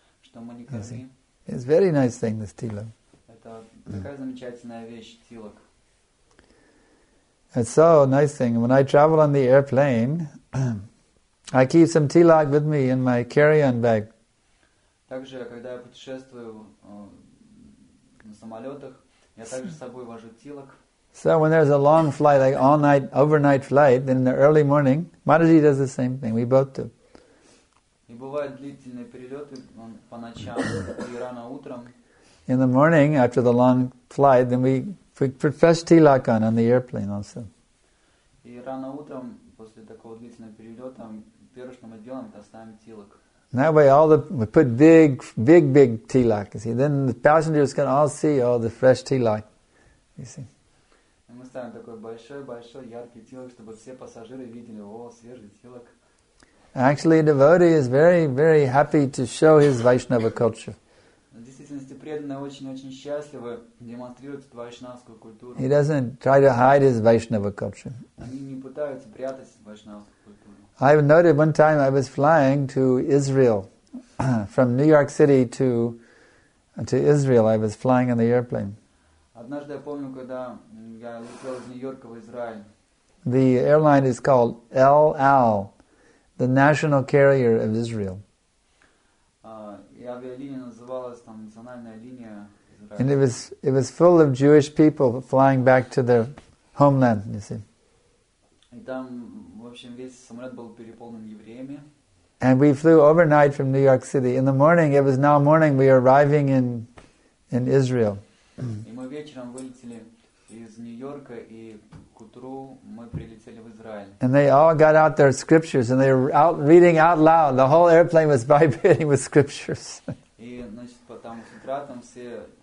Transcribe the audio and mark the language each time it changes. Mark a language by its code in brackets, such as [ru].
[ru] Что мы не карми. [en] It's a very nice thing, this tilak. [ru] Это такая замечательная вещь, тилак. [en] It's so nice thing. When I travel on the airplane, I keep some tilak with me in my carry-on bag. [ru] Также, когда я путешествую на самолетах, я также с собой вожу тилак. [en] So when there's a long flight, like all night, overnight flight, then in the early morning, Mataji does the same thing. We both do. [ru] И бывают длительные перелеты по ночам и рано утром. [en] In the morning, after the long flight, then we put fresh tilak on the airplane also. [ru] И рано утром после такого длительного перелета первое, что мы делаем, это ставим тилак. [en] That way, we put big tilak. You see, then the passengers can all see all the fresh tilak. You see. [ru] Мы ставим такой большой яркий тилак, чтобы все пассажиры видели: о, свежий тилак. [en] Actually, a devotee is very, very happy to show his Vaishnava culture. [ru] В действительности преданный очень счастливо демонстрирует вайшнавскую культуру. [en] He doesn't try to hide his Vaishnava culture. [ru] Они не пытаются прятать вайшнавскую культуру. [en] I noted one time I was flying to Israel from New York City to Israel. I was flying on the airplane. [ru] Однажды я помню, когда я летел из Нью-Йорка в Израиль. [en] The airline is called El Al, the national carrier of Israel. [ru] И авиалиния называлась там национальная линия Израиля. [en] And it was full of Jewish people flying back to their homeland, you see. [ru] И там, в общем, весь самолет был переполнен евреями. [en] And we flew overnight from New York City. In the morning, it was now morning, we are arriving in Israel. [ru] И мы вечером вылетели из Нью-Йорка, и к утру мы прилетели в Израиль. [en] And they all got out their scriptures, and they were out reading out loud. The whole airplane was vibrating with scriptures. [ru] И, значит, потом с утра там все...